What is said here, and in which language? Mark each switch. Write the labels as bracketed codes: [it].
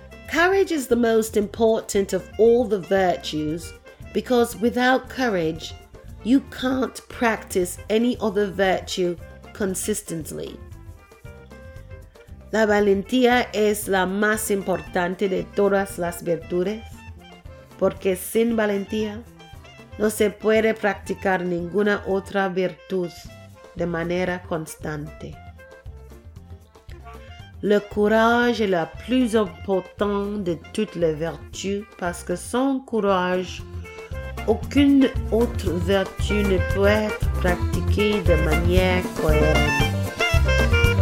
[en] Courage is the most important of all the virtues because without courage, you can't practice any other virtue consistently. [es] La valentía es la más importante de todas las virtudes porque sin valentía, no se puede practicar ninguna otra virtud de manera constante. [fr] Le courage est la plus importante de toutes les vertus parce que sans courage, aucune autre vertu ne peut être pratiquée de manière cohérente.